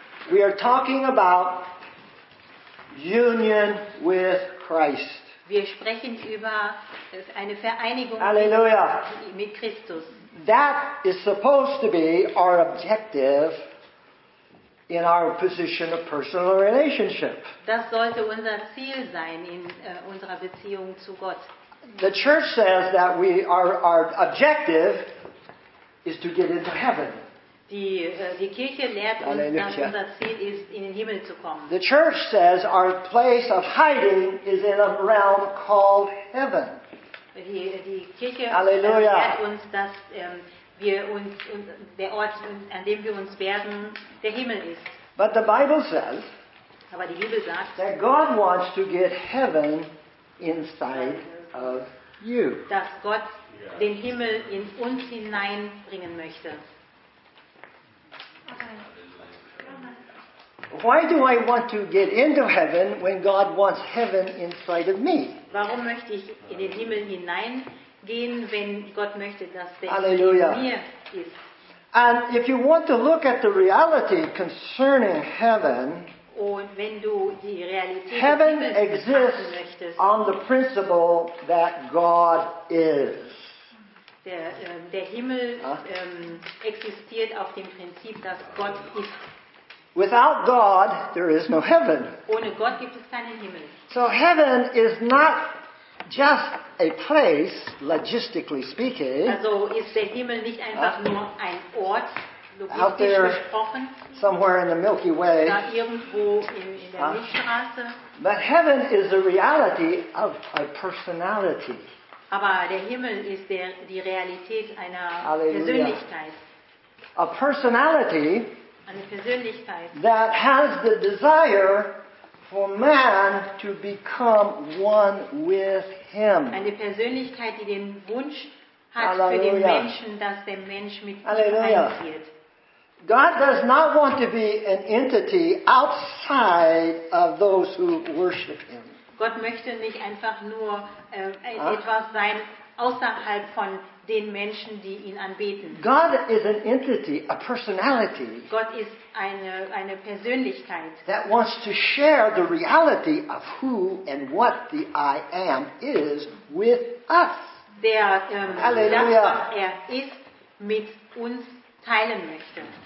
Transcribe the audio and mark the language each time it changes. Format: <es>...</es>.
<en>We are talking about union with Christ.</en> <de>Wir sprechen über eine Vereinigung mit Christus.</de> <en>That is supposed to be our objective in our position of personal relationship.</en> <de>Das sollte unser Ziel sein in unserer Beziehung zu Gott.</de> <en>The church says that we our objective is to get into heaven.</en> <de>Die Kirche lehrt uns, dass unser Ziel ist, in den Himmel zu kommen.</de> <en>The church says our place of hiding is in a realm called heaven.</en> <de>Die Kirche lehrt uns, dass wir uns der Ort, an dem wir uns werden, der Himmel ist.</de> <en>But the Bible says,</en> <de>aber die Bibel sagt,</de> <en>that God wants to get heaven inside of you.</en> <de>Dass Gott den Himmel in uns hineinbringen möchte.</de> <en>Why do I want to get into heaven when God wants heaven inside of me?</en> <de>Warum möchte ich in den Himmel hineingehen, wenn Gott möchte, dass der Himmel in mir ist?</de> <en>And if you want to look at the reality concerning heaven,</en> <de>und wenn du die Realität</de> <en>heaven exists on the principle that God is.</en> <de>Der Himmel existiert auf dem Prinzip, dass Gott ist.</de> <en>Without God, there is no heaven.</en> <de>Ohne Gott gibt es keinen Himmel.</de> <en>So heaven is not just a place, logistically speaking.</en> <de>Also ist der Himmel nicht einfach nur ein Ort, logistisch gesprochen.</de> <en>Somewhere in the Milky Way.</en> <de>Da irgendwo in der Milchstraße.</de> <en>But heaven is the reality of a personality.</en> <de>Aber der Himmel ist die Realität einer Persönlichkeit.</de> <en>A personality.</en> <de>Eine Persönlichkeit.</de> <en>That has the desire for man to become one with him.</en> <de>Eine Persönlichkeit, die den Wunsch hat, Halleluja. Für den Menschen, dass der Mensch mit Halleluja. Ihm eins wird.</de> <en>God does not want to be an entity outside of those who worship him.</en> <de>Gott möchte nicht einfach nur etwas sein außerhalb von den Menschen, die ihn anbeten.</de> <en>God is an entity, a personality.</en> <de>Gott ist eine Persönlichkeit.</de> <en>That wants to share the reality of who and what the I am is with us.</en> <de>Der Halleluja. Das, was er ist, mit uns teilen möchte.</de>